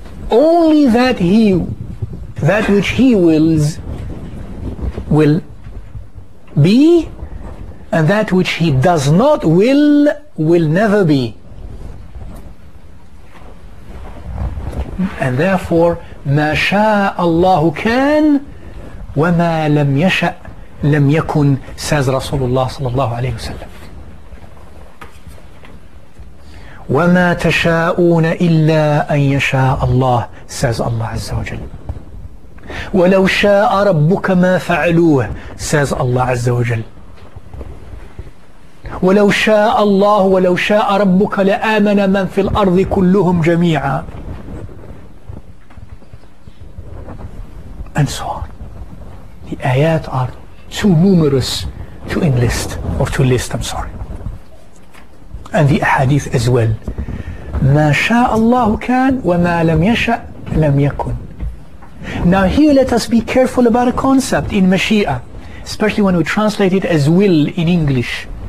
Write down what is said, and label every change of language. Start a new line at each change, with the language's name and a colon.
English: Only that He, that which He wills, will be, and that which He does not will never be. And therefore,
Arabic: مَا شَاءَ اللَّهُ كَانْ وَمَا لَمْ يَشَأْ لَمْ يَكُنْ, says Rasulullah sallallahu alayhi wa sallam. وَمَا تَشَاءُونَ إِلَّا أَنْ يَشَاءَ اللَّهُ, says Allah Azza wa Jal. وَلَوْ شَاءَ رَبُّكَ مَا فَعَلُوهُ, says Allah Azza wa Jal. وَلَوْ شَاءَ اللَّهُ وَلَوْ شَاءَ رَبُّكَ لَآمَنَ مَنْ فِي الْأَرْضِ كُلُّهُمْ جَمِيعًا,
English: and so on. The ayat are too numerous to enlist, or to list, I'm sorry. And the ahadith as well.
Arabic: مَا شَاءَ اللَّهُ كَانْ وَمَا لَمْ يَشَأْ لَمْ يَكُنْ.
English: Now here let us be careful about a concept in Mashi'ah, especially when we translate it as will in English.